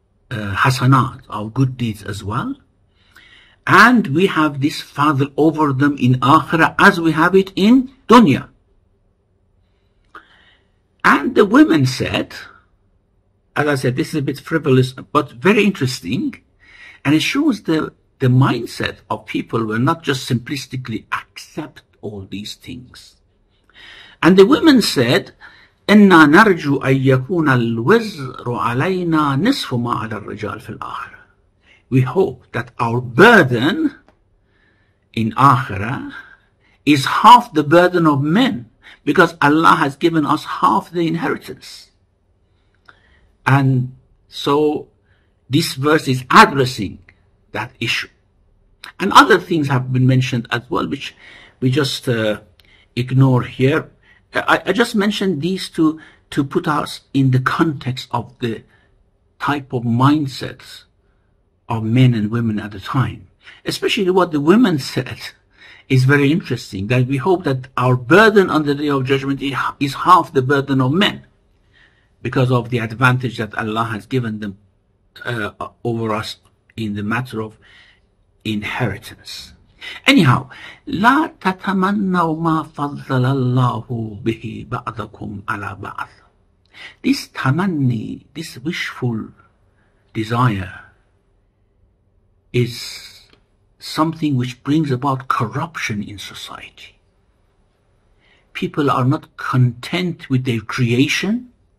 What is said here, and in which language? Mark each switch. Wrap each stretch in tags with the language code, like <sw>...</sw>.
<en>hasanat, or good deeds as well. And we have this fadl over them in Akhirah as we have it in dunya. And the women said, as I said, this is a bit frivolous, but very interesting. And it shows the mindset of people will not just simplistically accept all these things. And the women said,</en> <ar>إِنَّا نَرْجُوا أَن يَكُونَ الْوِزْرُ عَلَيْنَا نِصْفُ مَا عَلَى الرِّجَالِ فِي الْآخِرَةِ.</ar> <en>We hope that our burden in Akhirah is half the burden of men, because Allah has given us half the inheritance. And so this verse is addressing that issue. And other things have been mentioned as well, which we just ignore here. I just mentioned these two to put us in the context of the type of mindsets of men and women at the time. Especially what the women said is very interesting, that we hope that our burden on the Day of Judgment is half the burden of men, because of the advantage that Allah has given them over us in the matter of inheritance. Anyhow,</en> <ar>لا تتمنوا ما فضل الله به بعضكم على بعض.</ar> <en>This tamanni, this wishful desire, is something which brings about corruption in society. People are not content with their creation.</en>